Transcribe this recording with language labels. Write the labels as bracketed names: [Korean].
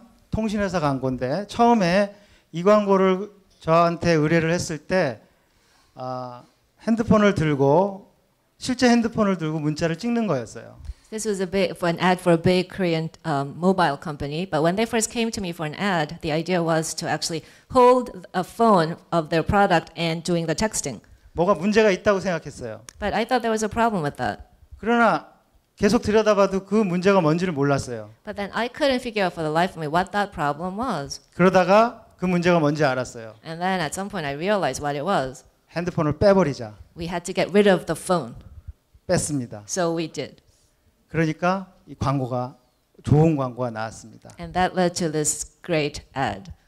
[Korean] 통신회사 광고인데 처음에 이 광고를 저한테 의뢰를 했을 때 핸드폰을 들고 실제 핸드폰을 들고 문자를 찍는 거였어요. [English] This was a big for an ad for a big Korean mobile company, but when they first came to me for an ad, the idea was to actually hold a phone of their product and doing the texting. [Korean] 뭐가 문제가 있다고 생각했어요. [English] But I thought there was a problem with that. [Korean] 그러나 계속 들여다봐도 그 문제가 뭔지를 몰랐어요. [English] But then I couldn't figure out for the life of me what that problem was. [Korean] 그러다가 그 문제가 뭔지 알았어요. [English] And then at some point I realized what it was. [Korean] 핸드폰을 빼버리자. [English] We had to get rid of the phone. [Korean] 뺐습니다. [English] So we did. [Korean] 그러니까 이 광고가 좋은 광고가 나왔습니다. [English] And that led to this great ad.